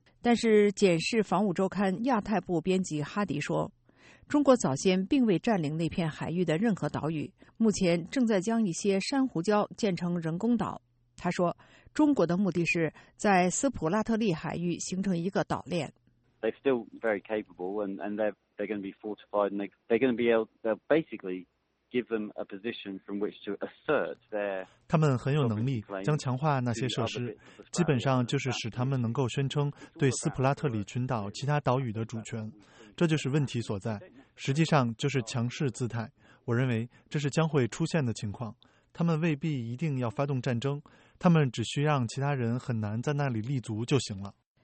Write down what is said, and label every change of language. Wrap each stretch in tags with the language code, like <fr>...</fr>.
<zh>但是，检视防务周刊亚太部编辑哈迪说，中国早先并未占领那片海域的任何岛屿，目前正在将一些珊瑚礁建成人工岛。他说，中国的目的是在斯普拉特利海域形成一个岛链。</zh> <en>they're still very capable and they're going to be fortified and they're going to be able to basically give them a position from which to assert their</en> <zh>他们很有能力将强化那些设施，基本上就是使他们能够宣称对斯普拉特里群岛其他岛屿的主权，这就是问题所在，实际上就是强势姿态。我认为这是将会出现的情况，他们未必一定要发动战争，他们只需让其他人很难在那里立足就行了。</zh>